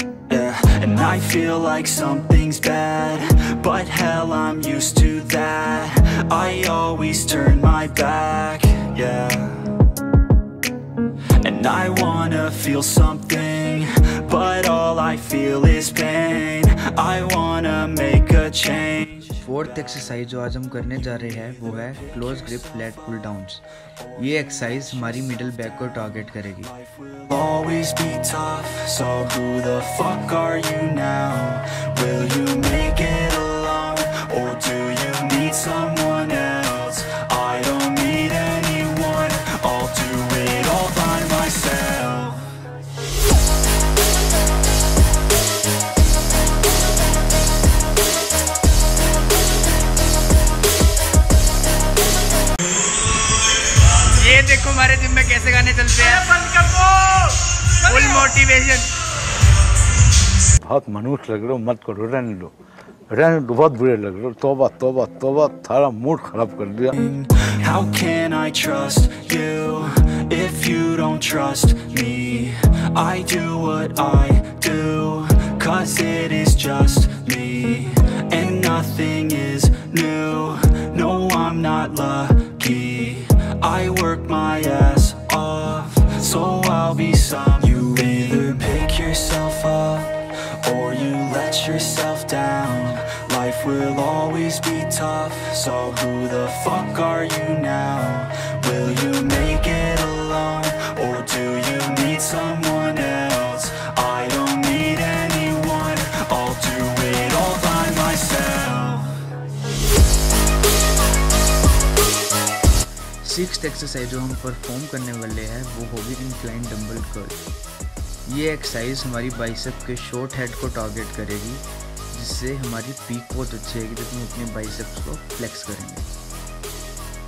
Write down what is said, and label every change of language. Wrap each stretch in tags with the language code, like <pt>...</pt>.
<en>Yeah, and I feel like something's bad, but hell, I'm used to that. I always turn my back, yeah. And I wanna feel something, but all I feel is pain. I wanna make a change.</en> <hi>Fourth exercise जो आज हम करने जा रहे हैं वो है close grip lat pull downs. ये एक्सरसाइज हमारी मिडिल बैक को टारगेट करेगी।</hi> <en>Always be tough, so who the fuck are you now? Will you make it along, or do you need someone else? I don't need anyone, I'll do it all by myself.</en> <hi>देखो हमारे gym में कैसे गाने चलते हैं, full motivation. बहुत मनुष्य लग रहे हो, मत करो, रहन लो, रहन लो, बहुत बुरे लग रहे हो। तौबा तौबा तौबा, थारा मूड खराब कर दिया।</hi> <en>How can I trust you if you don't trust me? I do what I do 'cause it is just me and nothing is new. No, I'm not lucky. I work my ass off, so I'll be some. You either pick yourself up, or you let yourself down. Life will always be tough, so who the fuck are you now? Will you make it alone, or do you need someone else? I don't need anyone, I'll do it all by myself.</en> <hi>Sixth exercise जो हम perform करने वाले हैं वो होगी incline dumbbell curl. ये exercise हमारी bicep के शॉर्ट हेड को टारगेट करेगी, जिससे हमारी पीक बहुत अच्छी है जब हम अपने बाइसेप्स को फ्लेक्स करेंगे।</hi>